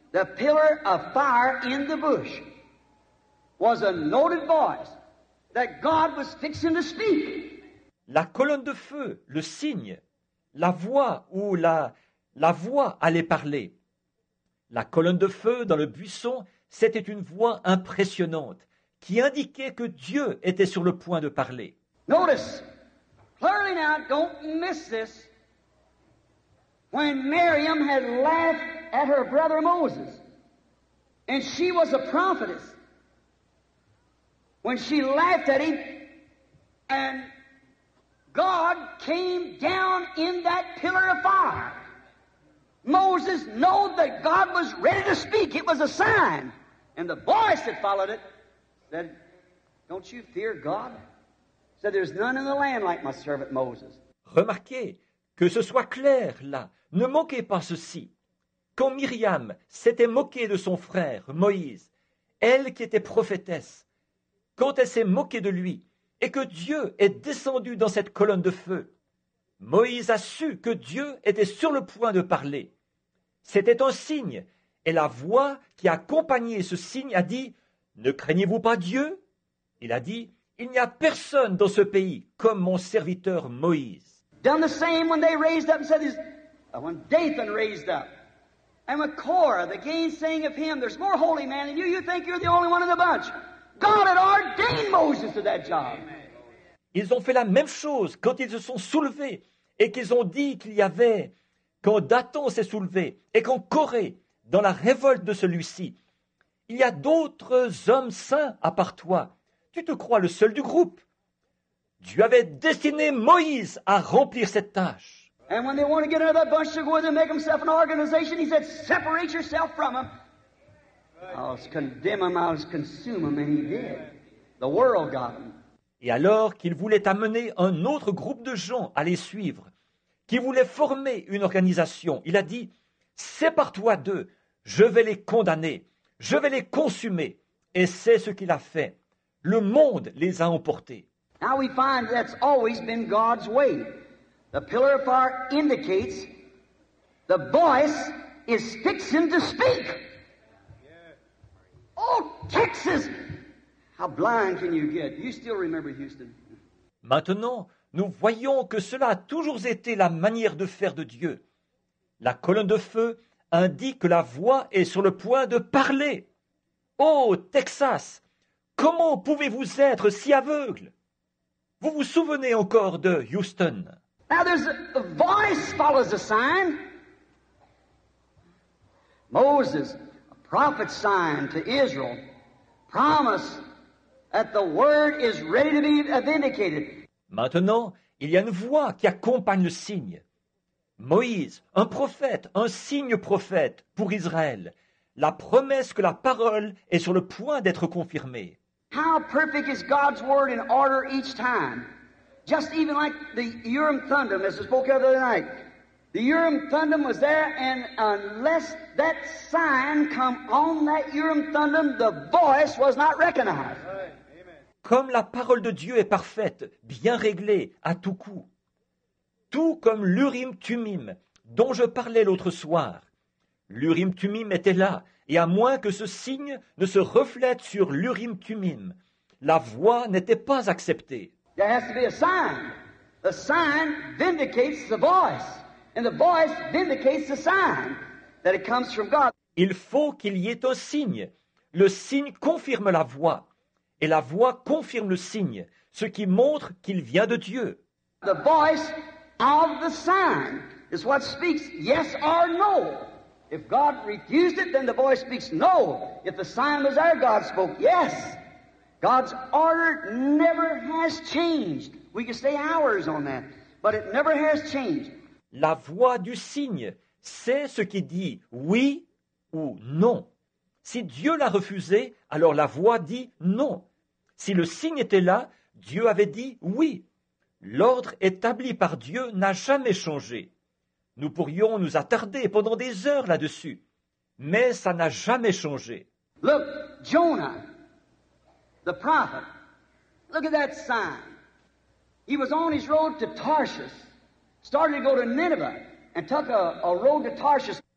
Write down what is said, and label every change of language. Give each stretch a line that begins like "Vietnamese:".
English: The pillar of fire in the bush was a noted voice that God was fixing to speak.
French: La colonne de feu, le signe, la voix où la voix allait parler. La colonne de feu dans le buisson, c'était une voix impressionnante qui indiquait que Dieu était sur le point de parler.
English: Notice, clearly now, don't miss this. When Miriam had laughed at her brother Moses, and she was a prophetess, when she laughed at him, and God came down in that pillar of fire, Moses knew that God was ready to speak. It was a sign. And the voice that followed it said, don't you fear God? Said, there's none in the land like my servant Moses.
French: Remarquez, que ce soit clair là, ne manquez pas ceci. Quand Myriam s'était moquée de son frère Moïse, elle qui était prophétesse, quand elle s'est moquée de lui et que Dieu est descendu dans cette colonne de feu, Moïse a su que Dieu était sur le point de parler. C'était un signe et la voix qui accompagnait ce signe a dit « Ne craignez-vous pas Dieu ?» Il a dit « Il n'y a personne dans ce pays comme mon serviteur Moïse. »
English: Done the same when they raised up and said this. When Dathan raised up, and when Korah, the gainsaying of him, there's more holy man than you. You think you're the only one in the bunch? God had ordained Moses to that job.
French: Ils ont fait la même chose quand ils se sont soulevés et qu'ils ont dit qu'il y avait quand Dathan s'est soulevé et qu'en Corée, dans la révolte de celui-ci, il y a d'autres hommes saints à part toi. Tu te crois le seul du groupe. Dieu avait destiné Moïse à remplir cette tâche.
English: And when they want to get another bunch to go with and make himself an organization, he said, separate yourself from them. I'll condemn them, I'll consume them, and he did. The world got them.
French: Et alors qu'il voulait amener un autre groupe de gens à les suivre, qui voulait former une organisation, il a dit, sépare-toi d'eux, je vais les condamner, je vais les consumer. Et c'est ce qu'il a fait. Le monde les a emportés.
English: Now we find that's always been God's way. The pillar of fire indicates the voice is fixing to speak. Oh, Texas! How blind can you get? You still remember Houston?
French: Maintenant, nous voyons que cela a toujours été la manière de faire de Dieu. La colonne de feu indique que la voix est sur le point de parler. Oh, Texas! Comment pouvez-vous être si aveugle? Vous vous souvenez encore de Houston?
English: Now there's a voice follows a sign. Moses, a prophet's sign to Israel, promised that the word is ready to be vindicated.
French: Maintenant, il y a une voix qui accompagne le signe. Moïse, un prophète, un signe prophète pour Israël, la promesse que la parole est sur le point d'être confirmée.
English: How perfect is God's word in order each time? Just even like the Urim Thummim, as we spoke of the other night. The Urim Thummim was there, and unless that sign come on that Urim Thummim, the voice was not recognized.
French: Comme la parole de Dieu est parfaite, bien réglée, à tout coup. Tout comme l'Urim Thummim, dont je parlais l'autre soir. L'Urim Thummim était là, et à moins que ce signe ne se reflète sur l'Urim Thummim, la voix n'était pas acceptée.
English: There has to be a sign. The sign vindicates the voice. And the voice vindicates the sign that it comes from God.
French: Il faut qu'il y ait un signe. Le signe confirme la voix. Et la voix confirme le signe, ce qui montre qu'il vient de Dieu.
English: The voice of the sign is what speaks yes or no. If God refused it, then the voice speaks no. If the sign was there, God spoke yes. God's order never has changed. We could stay hours on that, but it never has changed.
French: La voix du signe, c'est ce qui dit oui ou non. Si Dieu l'a refusé, alors la voix dit non. Si le signe était là, Dieu avait dit oui. L'ordre établi par Dieu n'a jamais changé. Nous pourrions nous attarder pendant des heures là-dessus, mais ça n'a jamais changé.
English: Look, Jonah, the prophet, look at that sign. He was on his road to Tarshish, started to go to Nineveh, and took a road to Tarshish.